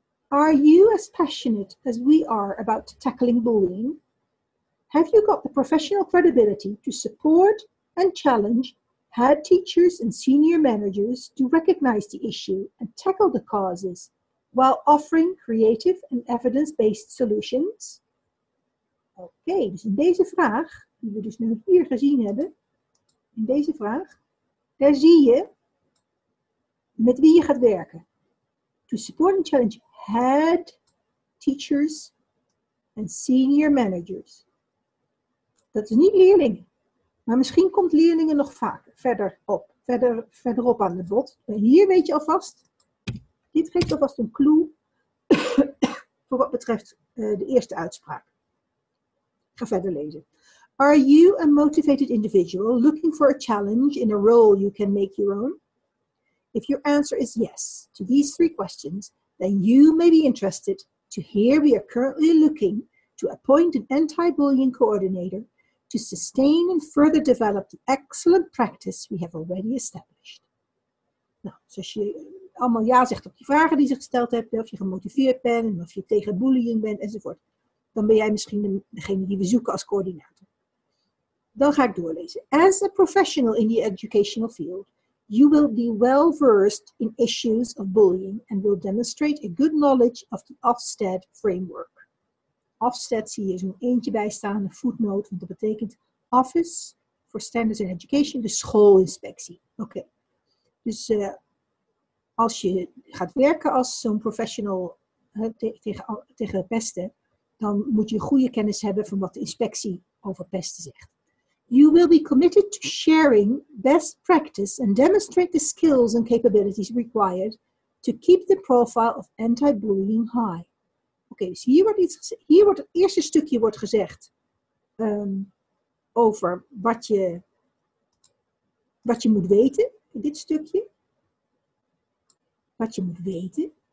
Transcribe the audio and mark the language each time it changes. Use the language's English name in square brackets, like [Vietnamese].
[English] Are you as passionate as we are about tackling bullying? Have you got the professional credibility to support and challenge head teachers and senior managers to recognize the issue and tackle the causes while offering creative and evidence-based solutions? [Dutch] Okay, dus in deze vraag, die we dus nu hier gezien hebben, in deze vraag, daar zie je met wie je gaat werken. [English] To support and challenge head teachers and senior managers. [Dutch] Dat is niet leerlingen. Maar misschien komt leerlingen nog vaker verderop aan de bod. En hier weet je alvast, dit geeft alvast een clue voor wat betreft de eerste uitspraak. Ik ga verder lezen. [English] Are you a motivated individual looking for a challenge in a role you can make your own? If your answer is yes to these 3 questions, then you may be interested to hear we are currently looking to appoint an anti-bullying coordinator to sustain and further develop the excellent practice we have already established. [Dutch] Nou, dus als je allemaal ja zegt op die vragen die ze gesteld hebben, of je gemotiveerd bent, of je tegen bullying bent, enzovoort, dan ben jij misschien degene die we zoeken als coördinator. Dan ga ik doorlezen. [English] As a professional in the educational field, you will be well versed in issues of bullying and will demonstrate a good knowledge of the Ofsted framework. [Dutch] Ofsted zie je zo'n eentje bij staan, een footnote, want dat betekent Office for Standards and Education, de schoolinspectie. Okay. Dus als je gaat werken als zo'n professional tegen pesten, dan moet je goede kennis hebben van wat de inspectie over pesten zegt. [English] You will be committed to sharing best practice and demonstrate the skills and capabilities required to keep the profile of anti-bullying high. [Dutch] Okay, dus hier wordt het eerste stukje wordt gezegd over wat je moet weten in dit stukje. Wat je moet weten.